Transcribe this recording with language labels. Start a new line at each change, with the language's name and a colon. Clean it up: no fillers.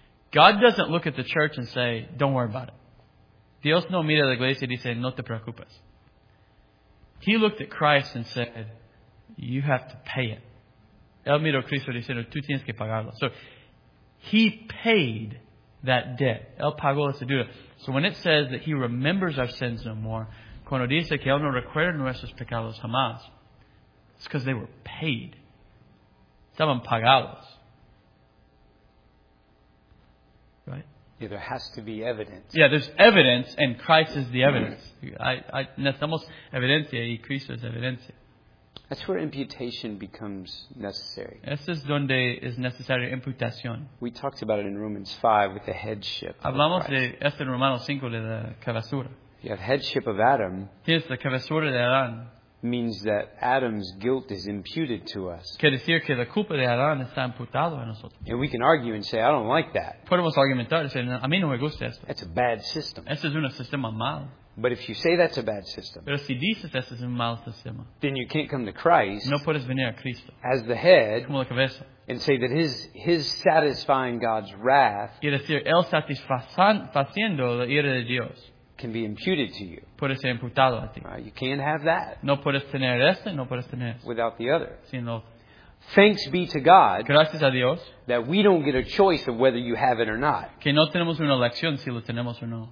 English: God doesn't look at the church and say, don't worry about it.
Spanish: Dios no mira a la iglesia y dice, no te preocupes.
English: He looked at Christ and said, you have to pay it.
Spanish: Él miró a Cristo y dice, tú tienes que pagarlo.
English: So, He paid that debt.
Spanish: Él pagó esa deuda.
English: So when it says that He remembers our sins no more,
Spanish: cuando dice que Él no recuerda nuestros pecados jamás,
English: it's because they were paid.
Spanish: Estaban pagados.
English: Right? Yeah, there has to be evidence. Yeah, there's evidence, and Christ is the evidence.
Spanish: Necesitamos evidencia, y Cristo es evidencia.
English: That's where imputation becomes necessary.
Spanish: Eso es donde es necesaria imputación.
English: We talked about it in Romans 5 with the headship.
Spanish: Hablamos de esto en Romanos 5 de la cabezura.
English: You have headship of Adam.
Spanish: Tienes la cabezura de Adán.
English: Means that Adam's guilt is imputed to us.
Spanish: Quiere decir que la culpa de Adán está imputado a nosotros.
English: And we can argue and say, I don't like that.
Spanish: Podemos argumentar y decir, a mí no me gusta esto.
English: It's a bad system.
Spanish: Este es un sistema mal.
English: But if you say that's a bad system,
Spanish: pero si dices que es un mal sistema,
English: then you can't come to Christ,
Spanish: no puedes venir a Cristo,
English: as the head,
Spanish: como la cabeza,
English: and say that his satisfying God's wrath,
Spanish: quiere decir, él satisfaciendo la ira de Dios,
English: can be imputed to you.
Spanish: Puede ser imputado a ti.
English: You can't have that.
Spanish: No puedes tener este, no puedes tener este.
English: Without the other.
Spanish: Sin otro.
English: Thanks be to God.
Spanish: Gracias a Dios.
English: That we don't get a choice of whether you have it or not.
Spanish: Que no tenemos una elección si lo tenemos o no.